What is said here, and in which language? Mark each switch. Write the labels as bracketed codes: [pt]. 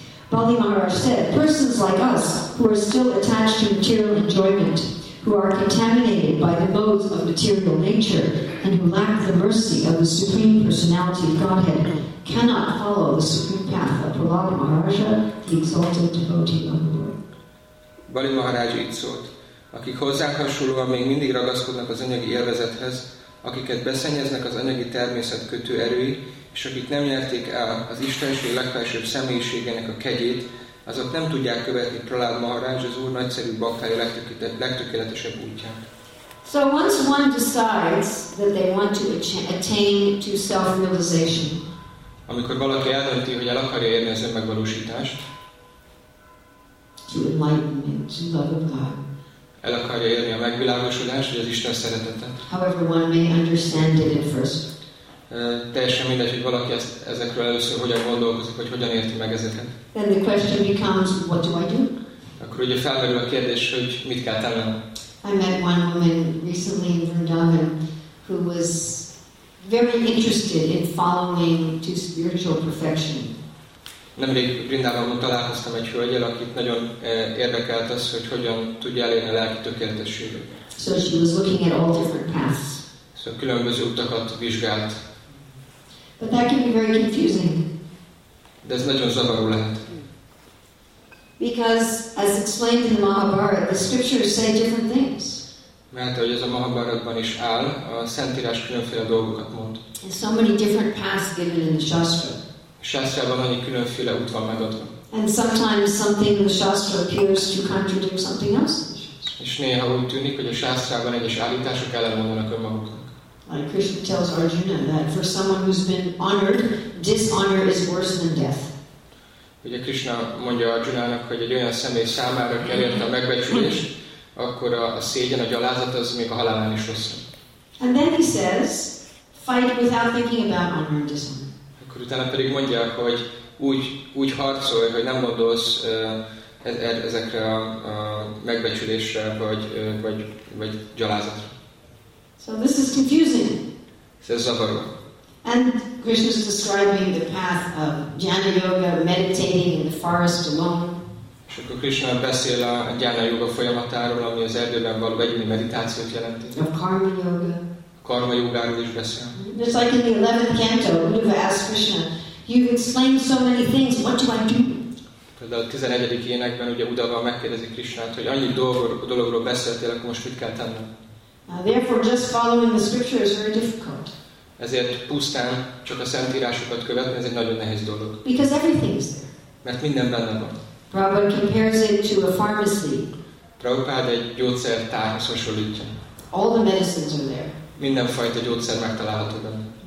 [en] Bali Maharaj said, persons like us who are still attached to material enjoyment, who are contaminated by the modes of material nature, and who lack the mercy of the Supreme Personality of Godhead, cannot follow the supreme path of Prahlada Maharaja, the exalted devotee of the Lord. [hu] Bali Maharaj így szólt. Akik hozzánk hasonlóan még mindig ragaszkodnak az anyagi élvezethez, akiket beszennyeznek az anyagi természet kötő erői, és akik nem nyerték el az Istenség legfelsőbb személyiségének a kegyét, azok nem tudják követni Prahlada Maharaj az Úr nagyszerű baktája legtökéletesebb útját. [en] So once one decides that they want to attain to self-realization, [hu] amikor valaki eldönti, hogy el akarja érni az önmegvalósítást, [en] to enlightenment, to love of God, [hu] el akarja érni a megvilágosodás, vagy az Isten szeretetet. [en] However one may understand it at first. [hu] Teljesen mindegy, hogy valaki ezekről először hogyan gondolkozik, hogy hogyan érti meg ezeket. [en] Then the question becomes, what do I do? [hu] Akkor ugye felmerül a kérdés, hogy mit kell tennem. [en] I met one woman recently in Vrindavan who was very interested in following to spiritual perfection. [hu] Nemrég Vrindavanban találkoztam egy hölgyel, akit nagyon érdekelt az, hogy hogyan tudja elérni a lelki tökéletességet. [en] So she was looking at all different paths. [hu] Szóval különböző utakat vizsgált. [en] But that can be very confusing. [hu] De ez nagyon zavaró lehet. [en] Because, as explained in the Mahabharata, the scriptures say different things. [hu] Mert ahogy ez a Mahabharatban is áll, a Szentírás különféle dolgokat mond. [en] And so many different paths given in the Shastra. [hu] Shastrában annyi különféle út van megadva. [en] And sometimes something in the Shastra appears to contradict something else. [hu] És néha úgy tűnik, hogy a Shastrában egyes állítások ellenmondanak önmaguknak. [en] Like Krishna tells Arjuna that for someone who's been honored, dishonor is worse than death. [hu] Ugye Krishna mondja Arjunának, hogy egy olyan személy számára elérte a megbecsülést, akkor a szégyen, a gyalázat az még a halálán is rosszabb. [en] And then he says, fight without thinking about honor and dishonor. [hu] Utána pedig mondja, hogy úgy harcolj, hogy nem gondolsz ezekre a megbecsülésre, vagy gyalázatra. [en] So this is confusing. [hu] Ez zavaró. [en] And Krishna is describing the path of jnana yoga, meditating in the forest alone. [hu] És akkor Krishna beszél a jnana yoga folyamatáról, ami az erdőben való egyéni meditációt jelenti. [en] Of karma yoga. [hu] Karma jogáról is beszél. [en] Just like in the 11th canto, Uddhava asks Krishna, you've explained so many things, what do I do? [hu] Például a 11. énekben ugye Uddhava megkérdezi Krishnát, hogy annyi dologról beszéltél, akkor most mit kell tennem? [en] Therefore, just following the scripture is very difficult. [hu] Ezért pusztán csak a szentírásokat követni, ez egy nagyon nehéz dolog. [en] Because everything is there. [hu] Mert minden benne van. [en] Prabhupada compares it to a pharmacy. [hu] Prabhupada egy gyógyszertárhoz hasonlítja. [en] All the medicines are there. [hu] Mindenfajta gyógyszer megtalálható benne.